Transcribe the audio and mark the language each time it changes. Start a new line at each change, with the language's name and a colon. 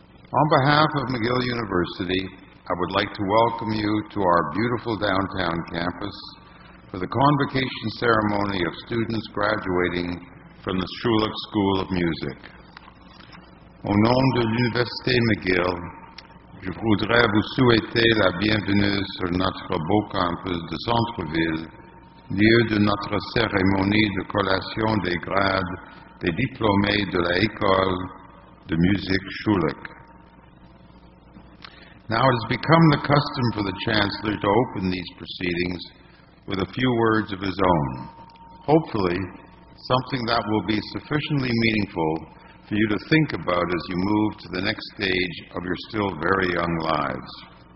English: On behalf of McGill University, I would like to welcome you to our beautiful downtown campus for the convocation ceremony of students graduating from the Schulich School of Music.
French: Au nom de l'Université McGill, je voudrais vous souhaiter la bienvenue sur notre beau campus de centre-ville, lieu de notre cérémonie de collation des grades des diplômés de l'École de musique Schulich.
English: Now it has become the custom for the Chancellor to open these proceedings with a few words of his own. Hopefully, something that will be sufficiently meaningful for you to think about as you move to the next stage of your still very young lives.